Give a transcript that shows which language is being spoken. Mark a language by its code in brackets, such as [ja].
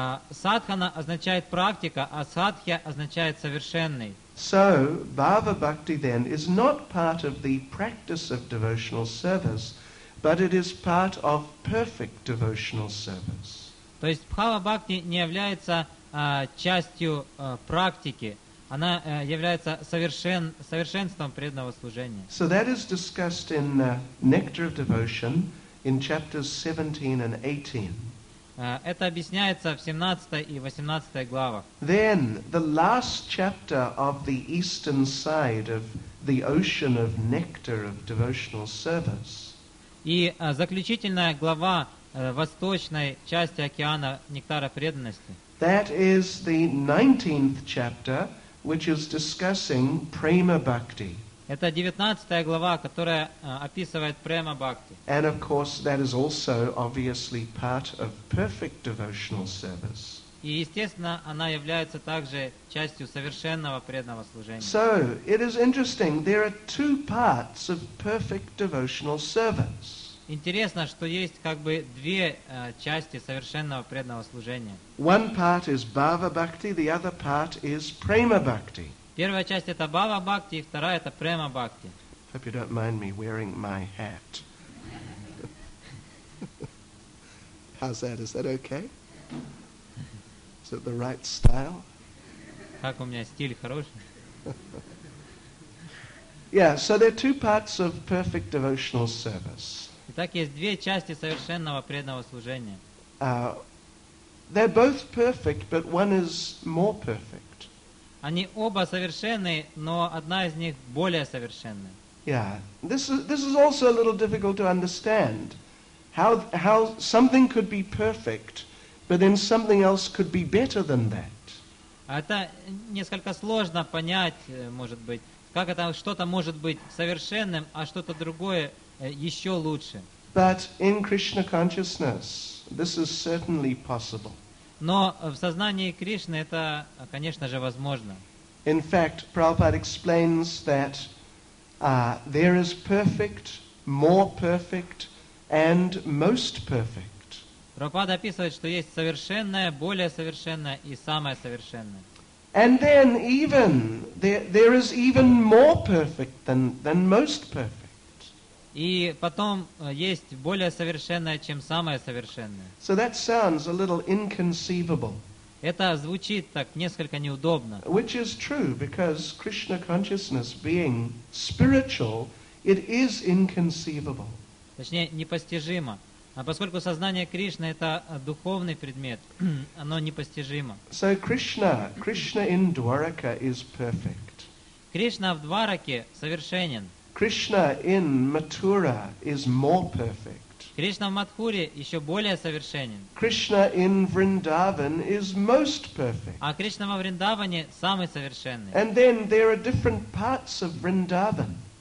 [ru] Садхана означает практика, а садхья означает совершенный. [en] So, bhava bhakti then is not part of the practice of devotional service, but it is part of perfect devotional service. [ru] То есть бхава бхакти не является частью практики. Она является совершенством преданного служения. [en] So that is discussed in Nectar of Devotion in chapters 17 and 18. [ru] Это объясняется в 17 и 18 главах. [en] Then the last chapter of the eastern side of the ocean of Nectar of Devotional Service. [ru] И заключительная глава восточной части океана нектара преданности. [en] That is the 19th chapter, which is discussing prema bhakti. [ru] Это 19 глава, которая описывает према бхакти. [en] And of course that is also obviously part of perfect devotional service. [ru] И естественно, она является также частью совершенного преданного служения. [en] So, it is interesting, there are two parts of perfect devotional service. [ru] Интересно, что есть как бы две части совершенного преданного служения. [en] One part is bhava bhakti, the other part is prema bhakti. [ru] Первая часть это бхава бхакти, вторая это према бхакти. [en] Hope you don't mind me wearing my hat. How's that? Is that okay? Is it the right style? [ru] Как у меня стиль хороший? [en] Yeah, so there are two parts of perfect devotional service. [ru] Итак, есть две части совершенного преданного служения. [en] They're both perfect, but one is more perfect. [ru] Они оба совершенны, но одна из них более совершенна. [en] Yeah, this is also a little difficult to understand. How something could be perfect, but then something else could be better than that. [ru] Это несколько сложно понять, может быть. Как это что-то может быть совершенным, а что-то другое еще лучше. [en] But in Krishna consciousness, this is certainly possible. [ru] Но в сознании Кришны это, конечно же, возможно. [en] In fact, Prabhupada explains that there is perfect, more perfect, and most perfect. [ru] Прабхупада описывает, что есть совершенное, более совершенное и самое совершенное. [en] And then even there is even more perfect than most perfect. [ru] И потом есть более совершенное, чем самое совершенное. [en] So that sounds a little inconceivable. [ru] Это звучит так несколько неудобно. [en] Which is true, because Krishna consciousness being spiritual, it is inconceivable. [ru] Точнее, непостижимо. А поскольку сознание Кришны это духовный предмет, оно непостижимо. [en] So Krishna in Dwaraka is perfect. [ru] Кришна в Двараке совершенен. [en] Krishna in Mathura is more perfect. [ru] Кришна в Матхуре еще более совершенен. [en] Krishna in Vrindavan is most perfect. [ru] А Кришна во Вриндаване самый совершенный. [en] And then there are different parts of Vrindavan.